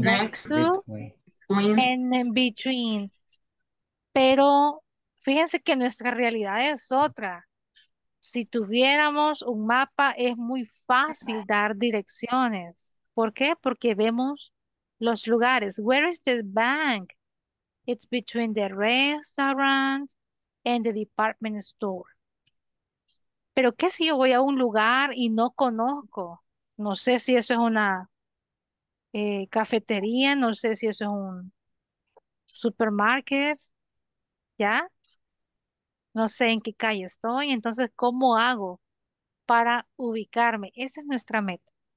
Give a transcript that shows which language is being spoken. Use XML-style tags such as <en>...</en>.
<en>Next to between. and between.</en> <es>Pero fíjense que nuestra realidad es otra. Si tuviéramos un mapa, es muy fácil dar direcciones. ¿Por qué? Porque vemos los lugares.</es> <en>Where is the bank? It's between the restaurant and the department store.</en> <es>Pero ¿qué si yo voy a un lugar y no conozco? No sé si eso es una cafetería, no sé si eso es un supermarket, ¿ya? No sé en qué calle estoy. Entonces, ¿cómo hago para ubicarme? Esa es nuestra meta.</es>